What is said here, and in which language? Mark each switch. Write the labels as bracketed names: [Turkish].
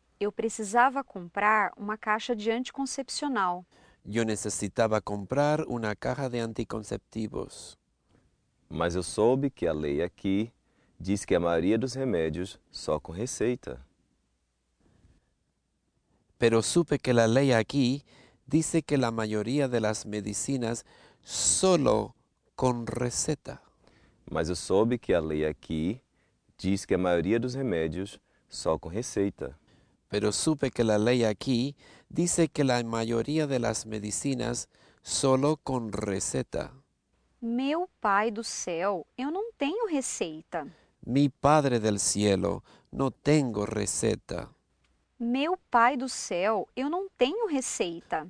[Portuguese] Eu precisava comprar uma caixa de anticoncepcional. [Spanish] Yo necesitaba comprar una caja de anticonceptivos. [Portuguese] Mas eu soube que a lei aqui diz que a maioria dos remédios só com receita. [Spanish] Pero supe que la ley aquí dice que la mayoría de las medicinas solo con receta. [Portuguese] Mas eu soube que a lei aqui diz que a maioria dos remédios só com receita. [Spanish] Pero supe que la ley aquí dice que la mayoría de las medicinas solo con receta. [Portuguese] Meu pai do céu, eu não tenho receita. [Spanish] Mi padre del cielo, no tengo receta. [Portuguese] Meu pai do céu, eu não tenho receita.